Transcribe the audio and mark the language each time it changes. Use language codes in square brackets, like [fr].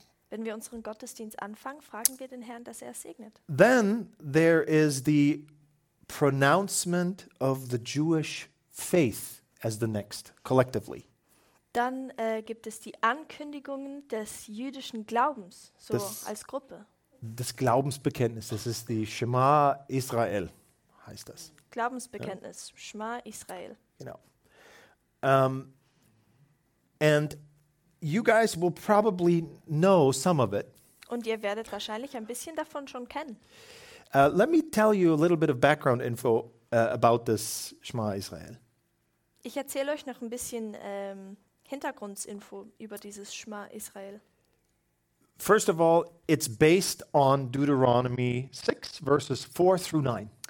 [de] Wenn wir unseren Gottesdienst anfangen, fragen wir den Herrn, dass er es segnet. [en] Then there is the pronouncement of the Jewish faith as the next, collectively. [de] Dann gibt es die Ankündigungen des jüdischen Glaubens, so das, als Gruppe. Das Glaubensbekenntnis, das ist die Shema Israel, heißt das. Glaubensbekenntnis, ja. Shema Israel. Genau. [en] And you guys will probably know some of it. [de] Und ihr werdet wahrscheinlich ein bisschen davon schon kennen. [en] Let me tell you a little bit of background info about this Shema Israel. [de] Ich erzähle euch noch ein bisschen Hintergrundinfo über dieses Shema Israel. [en] First of all, it's based on Deuteronomy 6, verses 4 through 9.